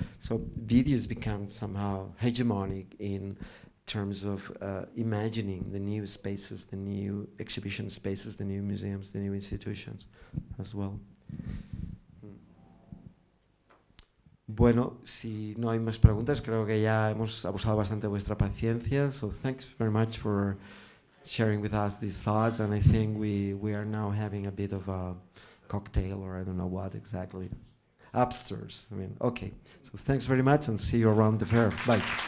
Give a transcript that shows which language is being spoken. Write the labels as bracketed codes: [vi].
[en] So videos become somehow hegemonic in terms of imagining the new spaces, the new exhibition spaces, the new museums, the new institutions as well. [es] Bueno, si no hay más preguntas, creo que ya hemos abusado bastante de vuestra paciencia. [en] So thanks very much for sharing with us these thoughts. And I think we are now having a bit of a cocktail, or I don't know what exactly. Upstairs, I mean, okay. So thanks very much and see you around the fair. Bye.